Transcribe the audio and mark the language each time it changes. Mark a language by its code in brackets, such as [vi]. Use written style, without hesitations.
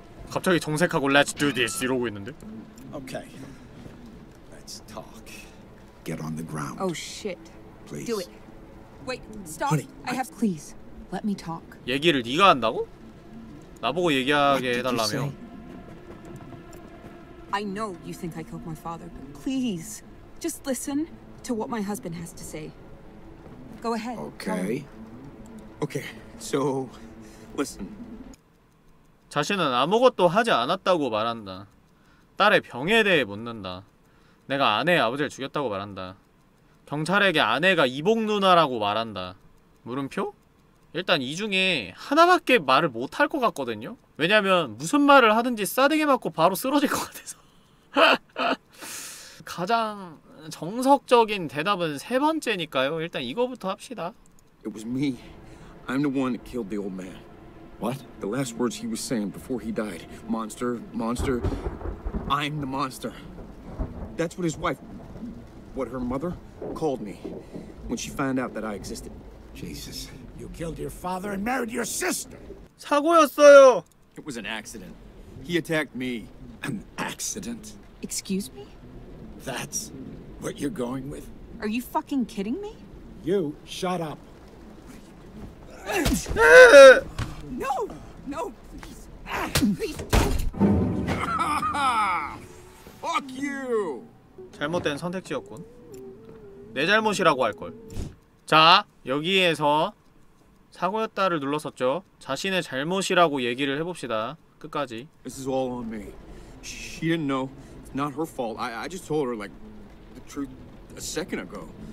[ko] 갑자기 정색하고 [en] Let's do this [ko] 이러고 있는데. [en] Okay. Get on the ground. Oh shit. Please. Do it. Wait, stop. Honey, I have please. Let me talk. [ko] 얘기를 네가 한다고? 나보고 얘기하게 해 달라며. [en] I know you think I killed my father, but please just listen to what my husband has to say. Go ahead. Okay. Okay. So listen. [ko] 자신은 아무것도 하지 않았다고 말한다. 딸의 병에 대해 묻는다. 내가 아내의 아버지를 죽였다고 말한다. 경찰에게 아내가 이복 누나라고 말한다. 물음표? 일단 이 중에 하나밖에 말을 못할 것 같거든요? 왜냐면 무슨 말을 하든지 싸대기 맞고 바로 쓰러질 것 같아서. 가장 정석적인 대답은 세 번째니까요. 일단 이거부터 합시다. [en] It was me. I'm the one that killed the old man. What? The last words he was saying before he died. Monster, monster. I'm the monster. That's what his wife, what her mother, called me when she found out that I existed. Jesus, you killed your father and married your sister. [ko] 사고였어요. [en] It was an accident. He attacked me. An accident? Excuse me? That's what you're going with? Are you fucking kidding me? You shut up. No, no, please don't. Fuck you. [ko] 잘못된 선택지였군. 내 잘못이라고 할 걸. 자, 여기에서 사고였다를 눌렀었죠. 자신의 잘못이라고 얘기를 해봅시다. 끝까지. [en] This is all on me. She didn't know. It's not her fault. I just told her like the truth a second ago.